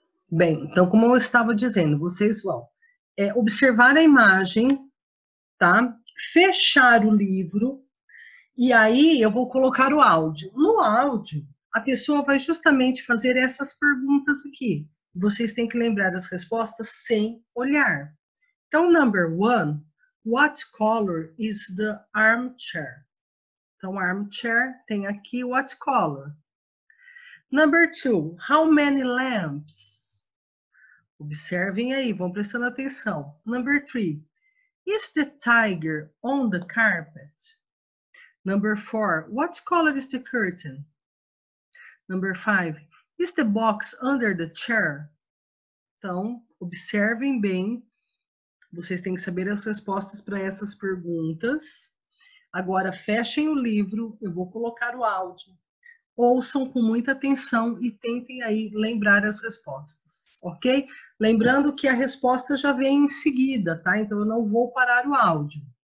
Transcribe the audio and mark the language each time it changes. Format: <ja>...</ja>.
<pt>Bem, então, como eu estava dizendo, vocês vão observar a imagem, tá? fechar o livro e aí eu vou colocar o áudio. No áudio, a pessoa vai justamente fazer essas perguntas aqui. Vocês têm que lembrar as respostas sem olhar.</pt> <en>Então, number one, what color is the armchair? Então, armchair</en> <pt>tem aqui</pt> <en>what color. Number two, how many lamps?</en> <pt>Observem aí, vão prestando atenção.</pt> <en>Number three, is the tiger on the carpet? Number four, what color is the curtain? Number five, is the box under the chair?</en> <pt>Então, observem bem. Vocês têm que saber as respostas para essas perguntas. Agora, fechem o livro, eu vou colocar o áudio. Ouçam com muita atenção e tentem aí lembrar as respostas, ok? Lembrando que a resposta já vem em seguida, tá? Então, eu não vou parar o áudio.</pt>